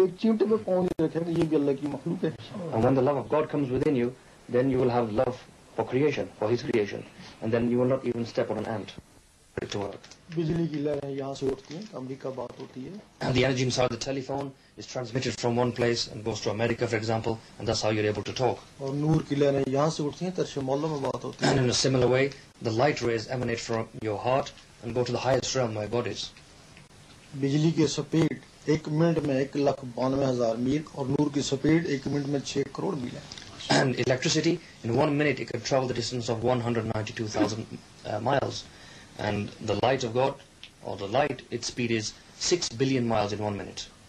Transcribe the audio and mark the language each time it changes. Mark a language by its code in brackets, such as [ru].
[ur] یہ چیمٹے پہ کون رکھے گا, یہ بھی اللہ کی مخلوق ہے. [en] And when the love of God comes within you, then you will have love for creation, for his creation, and then you will not even step on an ant. [ur] بجلی کی لہریں یہاں سے اٹھتی ہیں, امریکہ بات ہوتی ہے. [en] And the energy inside the telephone is transmitted from one place and goes to America, for example, and that's how you're able to talk. [ur] اور نور کی لہریں یہاں سے اٹھتی ہیں, طرز مولا میں بات ہوتی ہے. [en] And in a similar way, the light rays emanate from your heart and go to the highest realm, my God is. [ur] بجلی کی سپیڈ ایک منٹ میں 192,000 میل اور نور کی سپیڈ ایک منٹ میں 6 کروڑ میل ہے. [en] And electricity, in one minute, it can travel the distance of 192,000 miles. And the light of God, or the light, its speed is 6 billion miles in one minute.